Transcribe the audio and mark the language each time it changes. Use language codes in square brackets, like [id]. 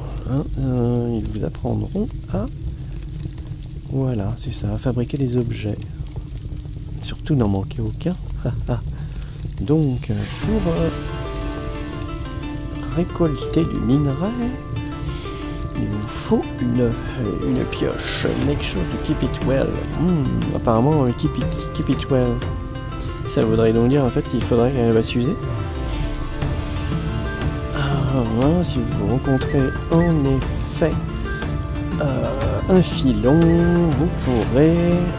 [fr] Hein, ils vous apprendront à. Voilà, c'est ça, à fabriquer des objets. Surtout n'en manquer aucun. Donc, pour récolter du minerai, il vous faut une pioche. [en] Make sure to keep it well. [fr] Apparemment, [en] keep it well. [fr] Ça voudrait donc dire en fait qu'il faudrait qu'elle va s'user. Alors, si vous rencontrez en effet un filon, vous pourrez.